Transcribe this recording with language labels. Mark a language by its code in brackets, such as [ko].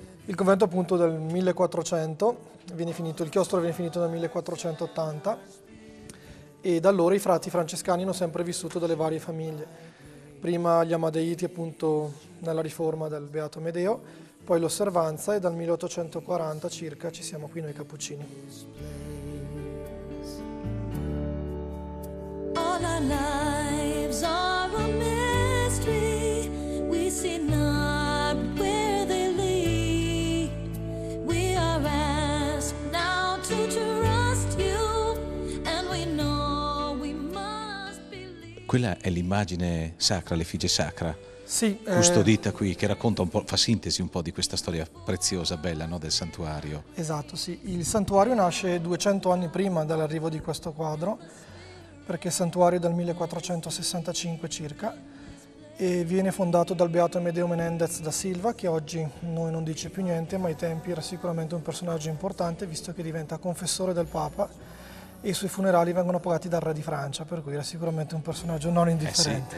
[it] Il convento appunto del 1400, viene finito, il chiostro viene finito nel 1480, e da allora i frati francescani hanno sempre vissuto dalle varie famiglie. Prima gli Amadeiti appunto nella riforma del Beato Amedeo, poi l'osservanza, e dal 1840 circa ci siamo qui noi cappuccini. [en] All our lives are a mystery, we see not where they lead. We are asked now to trust you, and we know we must believe. [it] Quella è l'immagine sacra, l'effigie sacra. sì, custodita qui, che racconta un po', fa sintesi un po' di questa storia preziosa, bella, no, del santuario. Esatto, sì. Il santuario nasce 200 anni prima dall'arrivo di questo quadro, perché il santuario è dal 1465 circa e viene fondato dal beato Amedeo Menendez da Silva, che oggi noi non dice più niente, ma ai tempi era sicuramente un personaggio importante, visto che diventa confessore del Papa e i suoi funerali vengono pagati dal re di Francia, per cui era sicuramente un personaggio non indifferente.